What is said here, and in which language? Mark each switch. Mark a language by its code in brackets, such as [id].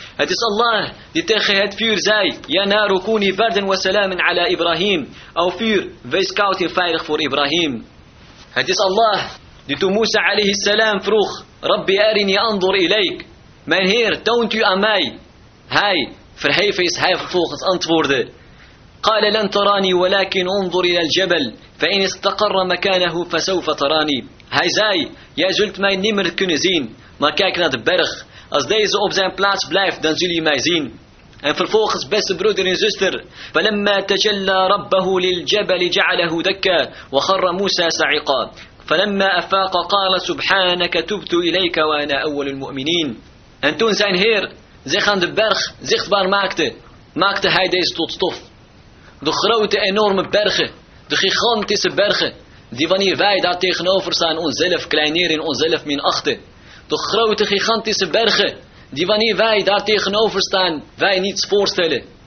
[nl] Het is Allah die tegen het vuur zei: [ar] Ya naru kuni barden wa salamin ala Ibrahim. [nl] O vuur, wees koud en veilig voor Ibrahim. Het is Allah die toen Musa alayhi salam vroeg: [ar] Rabbi arini anzur ilayk. [nl] Mijn Heer, toont u aan mij. Hij, verheven is Hij, vervolgens antwoordde: [ar] قال لن تراني ولكن انظر الى الجبل فان استقر مكانه فسوف تراني. [nl] Hij zei: jij zult mij niet meer kunnen zien, maar kijk naar de berg. Als deze op zijn plaats blijft, dan zul je mij zien. En vervolgens, beste broeder en zuster: [ar] فلما تجلى ربه للجبل جعله دكا وخر موسى صعقا فلما افاق قال سبحانك تبت اليك وانا اول المؤمنين. [nl] En toen zijn Heer zich aan de berg zichtbaar maakte, maakte hij deze tot stof. De grote enorme bergen, de gigantische bergen, die wanneer wij daar tegenover staan onszelf kleineren, onszelf minachten. De grote gigantische bergen, die wanneer wij daar tegenover staan, wij niets voorstellen.